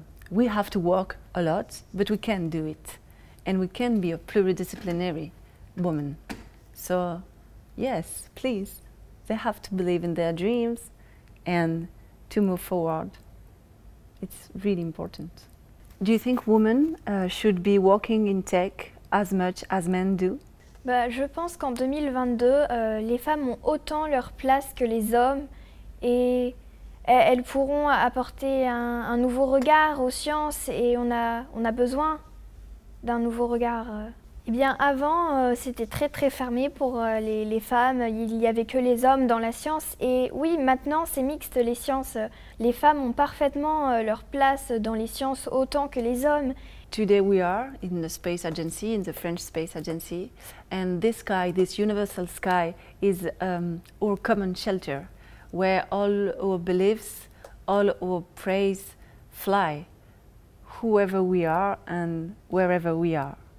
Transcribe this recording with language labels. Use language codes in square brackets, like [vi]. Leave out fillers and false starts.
[en] We have to work a lot, but we can do it. And we can be a pluridisciplinary woman. So yes, please, they have to believe in their dreams and to move forward. It's really important. Do you think women should be working in tech as much as men do? [fr] Bah, je pense qu'en 2022, les femmes ont autant leur place que les hommes et elles pourront apporter un nouveau regard aux sciences et on a besoin d'un nouveau regard. Eh bien, avant, c'était très très fermé pour les femmes, il n'y avait que les hommes dans la science. Et oui, maintenant, c'est mixte les sciences. Les femmes ont parfaitement leur place dans les sciences autant que les hommes. [en] Today we are in the space agency, in the French space agency, and this sky, this universal sky, is our common shelter, where all our beliefs, all our prayers fly, whoever we are and wherever we are.